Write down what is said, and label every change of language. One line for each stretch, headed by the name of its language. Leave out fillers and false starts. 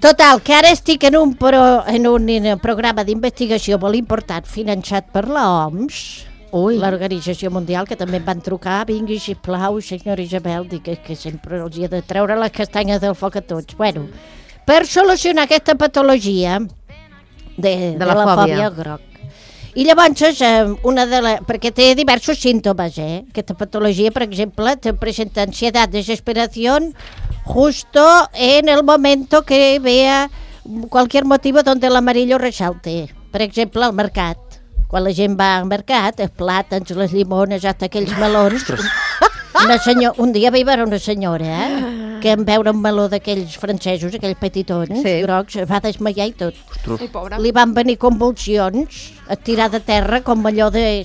Catalan: Total, que ara estic en un, pro, en un programa d'investigació molt important, finançat per l'OMS, l'Organització Mundial, que també em van trucar, vingui, sisplau, senyora Isabel, dic que sempre els hi ha de treure les castanyes del foc a tots. Bueno, per solucionar aquesta patologia de la fòbia groc. I llavors, una de la, perquè té diversos símptomes, eh? Aquesta patologia, per exemple,
Spanish: te presenta ansiedad, desesperació justo en el momento que vea cualquier motivo donde el amarillo resalte.
Catalan: Per exemple, al mercat. Quan la gent va al mercat, els plàtans, les llimones, hasta aquells melons... Una senyor, un dia vaig veure una senyora, eh? Que en veure un meló d'aquells francesos, aquells petitons, sí, grocs, va desmaiar i tot. Ostres. Ai, pobra. Li van venir convulsions, a tirar de terra, com allò de...